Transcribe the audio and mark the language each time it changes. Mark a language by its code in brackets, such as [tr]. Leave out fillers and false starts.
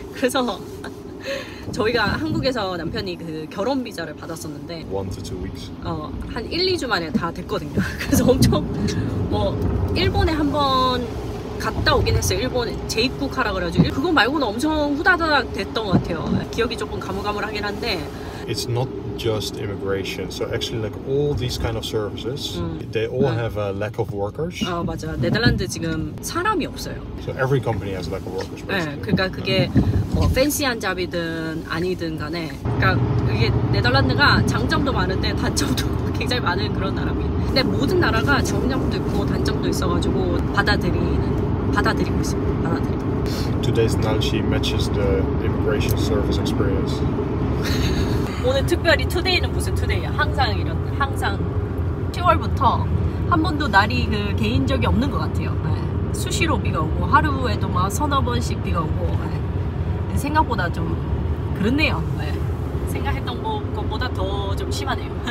[ko] 그래서 저희가 한국에서 남편이 그 결혼 비자를 받았었는데 [en] 1-2 weeks. [ko] 한 1-2주 만에 다 됐거든요. 그래서 엄청 뭐 일본에 한번 갔다 오긴 했어요. 일본에 재입국하라 그래가지고 그거 말고는 엄청 후다닥 됐던 것 같아요. 기억이 조금 가물가물하긴 한데 [en] It's not just immigration. So actually like all these kind of services, they all have a lack of workers. [ko] 아 맞아. 네덜란드 지금 사람이 없어요. [en] So every company has a lack of workers. [ko] 네, 그러니까 그게 뭐 팬시한 잡이든 아니든 간에 그러니까 이게 네덜란드가 장점도 많은데 단점도 굉장히 많은 그런 나라입니다. 근데 모든 나라가 장점도 있고 단점도 있어가지고 받아들이고 있습니다. 받아들이고. [en] Today's Nancy matches the immigration service experience. [ko] 오늘 특별히 투데이는 무슨 투데이야? 항상 10월부터 한 번도 날이 그 개인 적이 없는 것 같아요. 네. 수시로 비가 오고 하루에도 막 서너 번씩 비가 오고 네. 생각보다 좀 그렇네요. 네. 생각했던 것보다 더 좀 심하네요.